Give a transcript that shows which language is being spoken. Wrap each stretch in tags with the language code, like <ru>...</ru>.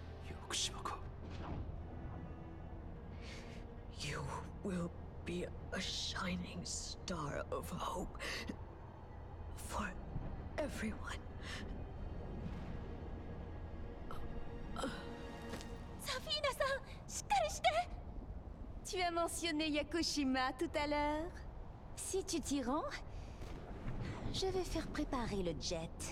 <ja>よくしまか。</ja> <en>You will be a shining star of hope for everyone.</en> <ja>サフィーナさん、しっかりして。</ja> <fr>Tu as mentionné Yakushima tout à l'heure. Si tu t'y rends, je vais faire préparer le jet.</fr>